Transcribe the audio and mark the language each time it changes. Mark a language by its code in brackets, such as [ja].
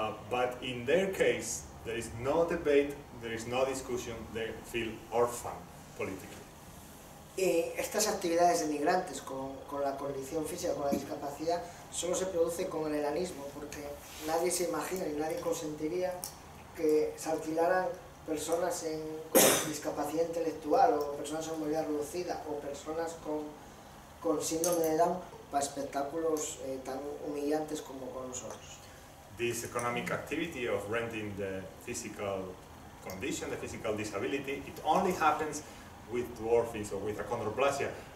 [en] But in their case, there is no debate, there is no discussion, they feel orphaned politically. [es] Y estas actividades de migrantes con la condición física, con la discapacidad, solo se produce con el enanismo, porque nadie se imagina y nadie consentiría que se alquilaran personas con discapacidad intelectual o personas con movilidad reducida o personas con síndrome de Down para espectáculos tan humillantes como con nosotros. [en] This economic activity of renting the physical condition, the physical disability, it only happens with dwarfism or with achondroplasia.